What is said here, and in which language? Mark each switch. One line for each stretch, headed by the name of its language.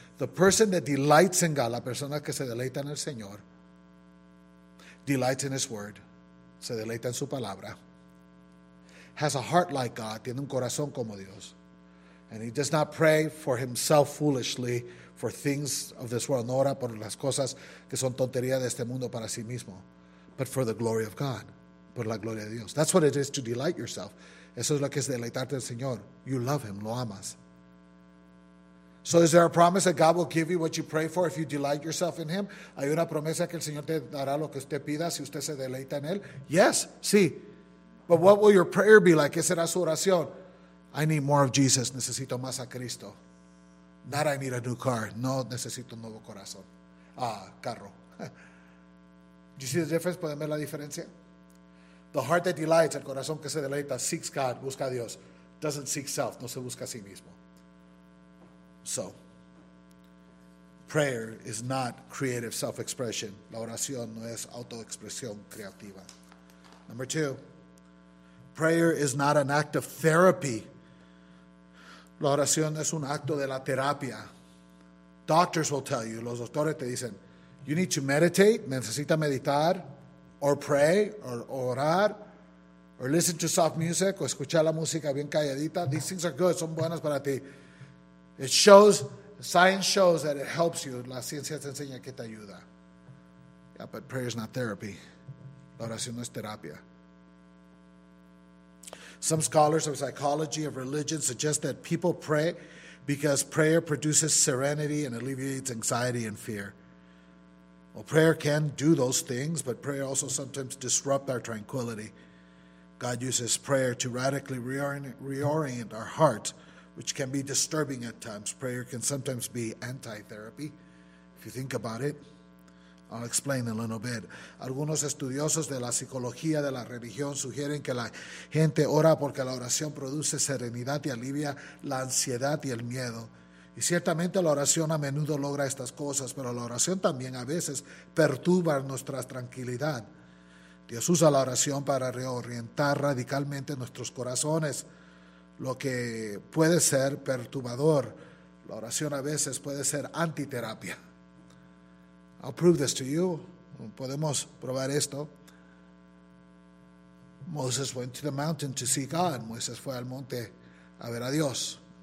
English: The person that delights in God,
Spanish: la persona que se deleita en el Señor,
English: delights in his word,
Spanish: se deleita en su palabra,
English: has a heart like God,
Spanish: tiene un corazón como Dios,
English: and he does not pray for himself foolishly for things of this world.
Spanish: No ora por las cosas que son tonterías de este mundo para sí mismo,
English: but for the glory of God,
Spanish: por la gloria de Dios.
English: That's what it is to delight yourself.
Spanish: Eso es lo que es deleitarte al Señor.
English: You love him,
Spanish: lo amas.
English: So is there a promise that God will give you what you pray for if you delight yourself in him?
Spanish: ¿Hay una promesa que el Señor te dará lo que usted pida si usted se deleita en él?
English: Yes, sí. But what will your prayer be like?
Spanish: ¿Qué será su oración?
English: I need more of Jesus.
Spanish: Necesito más a Cristo.
English: Not I need a new car.
Spanish: No, necesito un nuevo corazón. Carro.
English: You see the difference?
Spanish: ¿Pueden ver la diferencia?
English: The heart that delights,
Spanish: el corazón que se deleita,
English: seeks God,
Spanish: busca a Dios.
English: Doesn't seek self,
Spanish: no se busca a sí mismo.
English: So, prayer is not creative self-expression.
Spanish: La oración no es autoexpresión creativa.
English: Number two, prayer is not an act of therapy.
Spanish: La oración es un acto de la terapia.
English: Doctors will tell you,
Spanish: los doctores te dicen,
English: you need to meditate,
Spanish: necesita meditar,
English: or pray,
Spanish: or orar,
English: or listen to soft music,
Spanish: o escuchar la música bien calladita.
English: These things are good,
Spanish: son buenas para ti.
English: It shows, science shows that it helps you.
Spanish: La ciencia te enseña que te ayuda.
English: Yeah, but prayer is not therapy.
Spanish: La oración no es terapia.
English: Some scholars of psychology of religion suggest that people pray because prayer produces serenity and alleviates anxiety and fear. Well, prayer can do those things, but prayer also sometimes disrupts our tranquility. God uses prayer to radically reorient our heart, which can be disturbing at times. Prayer can sometimes be anti-therapy, if you think about it. I'll explain in a little bit.
Spanish: Algunos estudiosos de la psicología de la religión sugieren que la gente ora porque la oración produce serenidad y alivia la ansiedad y el miedo. Y ciertamente la oración a menudo logra estas cosas, pero la oración también a veces perturba nuestra tranquilidad. Dios usa la oración para reorientar radicalmente nuestros corazones, lo que puede ser perturbador. La oración a veces puede ser antiterapia.
English: I'll prove this to you.
Spanish: Podemos probar esto.
English: Moses went to the mountain to see God.
Spanish: Moses fue al monte a ver a Dios.